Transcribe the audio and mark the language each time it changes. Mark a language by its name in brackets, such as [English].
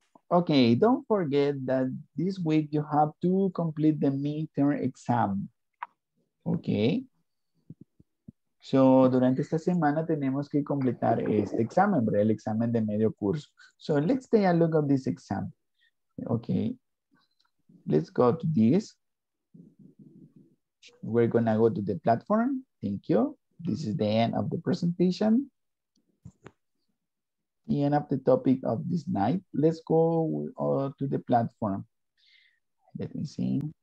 [English] Okay, don't forget that this week you have to complete the midterm exam. Okay. [Spanish] So, durante esta semana tenemos que completar este examen, el examen de medio curso. [English] So, let's take a look at this exam. Okay. Let's go to this. We're going to go to the platform. Thank you. This is the end of the presentation. End up the topic of this night. Let's go to the platform. Let me see.